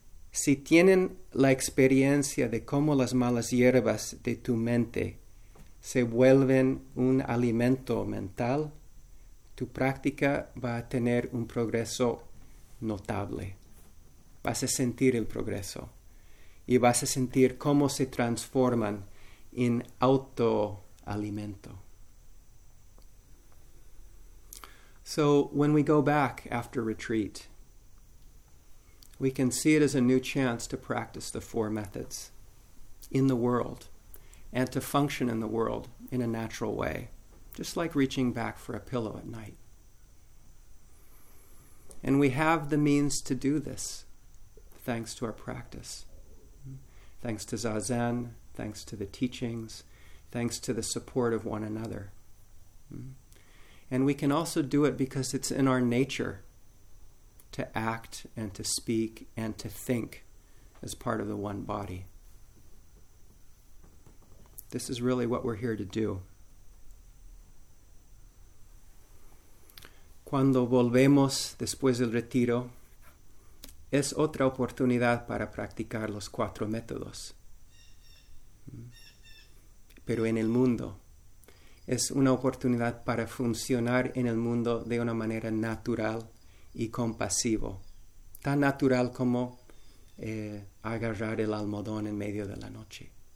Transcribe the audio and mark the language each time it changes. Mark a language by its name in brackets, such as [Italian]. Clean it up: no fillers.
[Spanish] Si tienen la experiencia de cómo las malas hierbas de tu mente se vuelven un alimento mental, tu práctica va a tener un progreso notable. Vas a sentir el progreso y vas a sentir cómo se transforman en autoalimento. [English] So when we go back after retreat, we can see it as a new chance to practice the four methods in the world and to function in the world in a natural way, just like reaching back for a pillow at night. And we have the means to do this, thanks to our practice, thanks to Zazen, thanks to the teachings, thanks to the support of one another. And we can also do it because it's in our nature to act and to speak and to think as part of the one body. This is really what we're here to do. [Spanish] Cuando volvemos después del retiro, es otra oportunidad para practicar los cuatro métodos. Pero en el mundo, es una oportunidad para funcionar en el mundo de una manera natural y compasivo, tan natural como agarrar el almohadón en medio de la noche.